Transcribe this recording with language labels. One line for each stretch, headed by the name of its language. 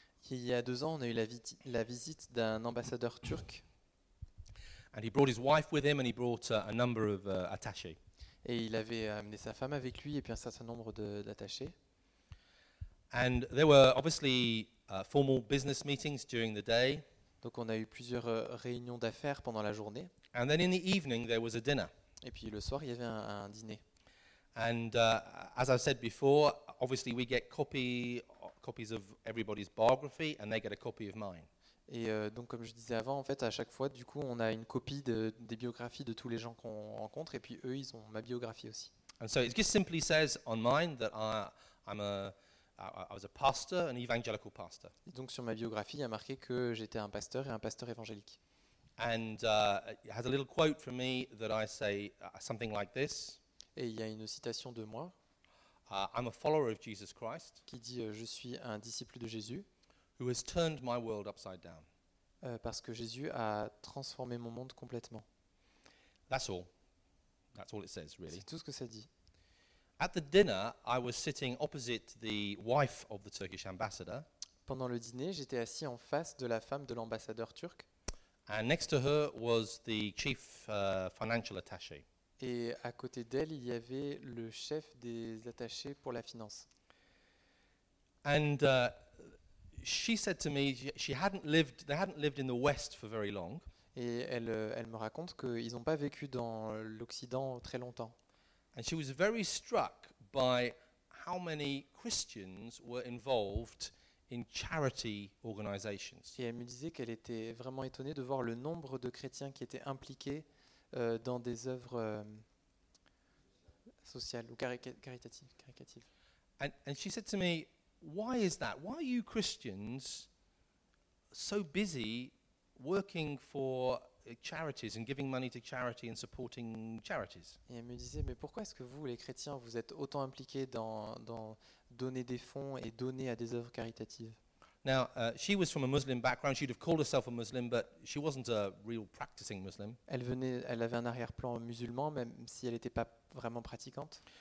French: Il y a deux ans, on a eu la visite d'un ambassadeur turc.
English: And he brought his wife with him, and he brought a number of attachés.
French: Et il avait amené sa femme avec lui et puis un certain nombre d'attachés.
English: And there were obviously formal business meetings during the day.
French: Donc on a eu plusieurs réunions d'affaires pendant la journée.
English: And then in the evening, there was a dinner.
French: Et puis le soir, il y avait un dîner.
English: And as I said before, obviously we get copies of everybody's biography and they get a copy of mine.
French: Et donc comme je disais avant, en fait, à chaque fois, du coup, on a une copie des biographies de tous les gens qu'on rencontre et puis eux, ils ont ma biographie aussi.
English: And so it just simply says on mine that I was a pastor, an evangelical pastor.
French: Et donc sur ma biographie, il y a marqué que j'étais un pasteur et un pasteur évangélique.
English: And it has a little quote from me that I say something like this.
French: Et il y a une citation de moi.
English: I'm a follower of Jesus Christ.
French: Qui dit je suis un disciple de Jésus.
English: Who has turned my world upside down.
French: Parce que Jésus a transformé mon monde complètement.
English: That's all. That's all it says, really.
French: C'est tout ce que ça dit.
English: At the dinner, I was sitting opposite the wife of the Turkish ambassador.
French: Pendant le dîner, j'étais assis en face de la femme de l'ambassadeur turc.
English: And next to her was the chief financial attaché.
French: Et à côté d'elle, il y avait le chef des attachés pour la finance.
English: And she said to me, they hadn't lived in the West for very long.
French: Et elle me raconte qu'ils n'ont pas vécu dans l'Occident très longtemps.
English: And she was very struck by how many Christians were involved in charity organizations.
French: Et elle me disait qu'elle était vraiment étonnée de voir le nombre de chrétiens qui étaient impliqués dans des œuvres sociales ou caritatives.
English: And she said to me, why is that? Why are you Christians so busy working for charities and giving money to charity and supporting charities?
French: Et elle me disait, mais pourquoi est-ce que vous, les chrétiens, vous êtes autant impliqués dans donner des fonds et donner à des œuvres caritatives?
English: Now, she was from a Muslim background. She'd have called herself a Muslim, but she wasn't a real practicing Muslim.
French: Elle avait un arrière-plan musulman, même si elle n'était pas vraiment pratiquante.